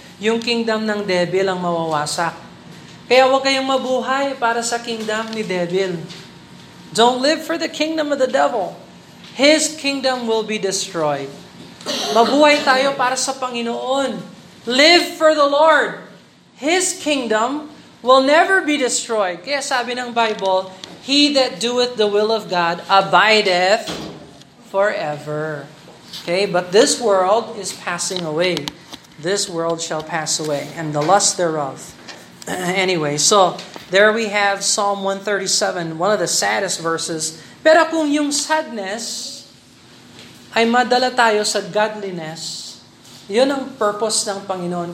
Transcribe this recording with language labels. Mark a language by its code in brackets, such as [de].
[tl] yung kingdom ng devil ang mawawasak. Kaya huwag kayong mabuhay para sa kingdom ni devil. [en] Don't live for the kingdom of the devil. His kingdom will be destroyed. [tl] Mabuhay tayo para sa Panginoon. [en] Live for the Lord. His kingdom will never be destroyed. [tl] Kaya sabi ng Bible, [en] he that doeth the will of God abideth forever. Okay, but this world is passing away. This world shall pass away, and the lust thereof. Anyway, so there we have Psalm 137, one of the saddest verses. [tl] Pero kung yung sadness ay madala tayo sa godliness, yun ang purpose ng Panginoon.